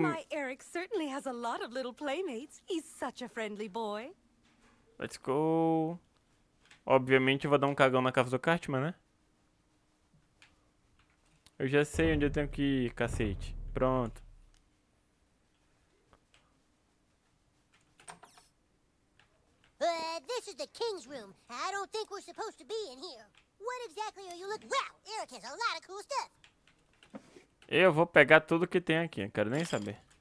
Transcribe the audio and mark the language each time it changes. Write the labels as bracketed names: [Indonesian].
[English] My Eric certainly has a lot of little playmates. He's such a friendly boy. Let's go. [Portuguese] Obviamente eu vou dar um cagão na casa do Cartman, né? Eu já sei onde eu tenho que ir, cacete. Pronto. [English] This is the king's room. I don't think we're supposed to be in here. What exactly are you looking? Well, Eric has a lot of cool stuff. [Portuguese] Eu vou pegar tudo que tem aqui, não quero nem saber.